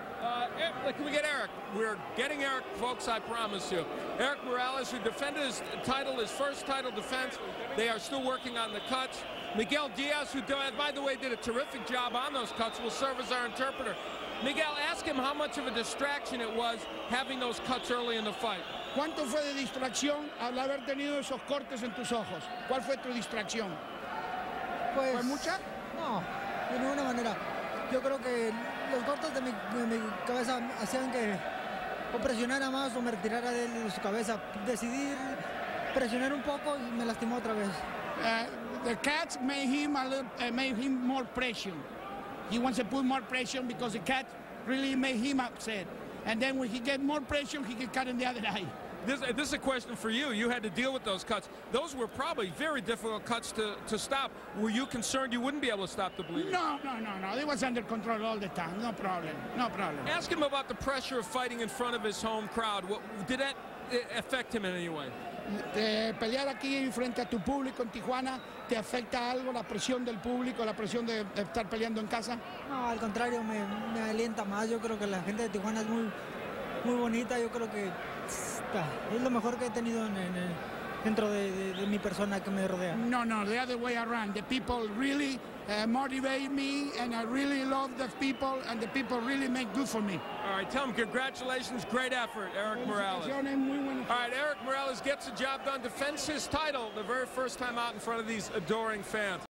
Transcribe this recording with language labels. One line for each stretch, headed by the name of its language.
English: Can we get Erik? We're getting Erik, folks, I promise you. Erik Morales, who defended his title, his first title defense. They are still working on the cuts. Miguel Diaz, who, by the way, did a terrific job on those cuts, will serve as our interpreter. Miguel, ask him how much of a distraction it was having those cuts early in the fight.
Spanish: ¿Cuánto fue de distracción al haber tenido esos cortes en tus ojos? ¿Cuál fue tu distracción? Pues, ¿fue mucha? No, de ninguna manera. Yo creo que los cortes de mi cabeza hacían que o presionara más o me retirara de su cabeza. Decidí presionar un poco y me lastimó otra vez.
English: The cuts made him more pressure. He wants to put more pressure because the cut really made him upset. And then when he get more pressure, he can cut in the other eye. This is a question for you. You had to deal with those cuts. Those were probably very difficult cuts to stop. Were you concerned you wouldn't be able to stop the bleeding? No. It was under control all the time. No problem. Ask him about the pressure of fighting in front of his home crowd. Did that affect him in any way?
Spanish: Pelear aquí en frente a tu público en Tijuana, ¿te afecta algo la presión del público, la presión de estar peleando en casa? No, al contrario, me alienta más. Yo creo que la gente de Tijuana es muy bonita. Yo creo que es lo mejor que he tenido dentro de mi persona que me rodea.
English: No, the other way around. The people really motivate me, and I really love the people, and the people really make good for me. All right, tell him congratulations, great effort, Erik Morales. All right, Erik Morales gets the job done, defends his title the very first time out in front of these adoring fans.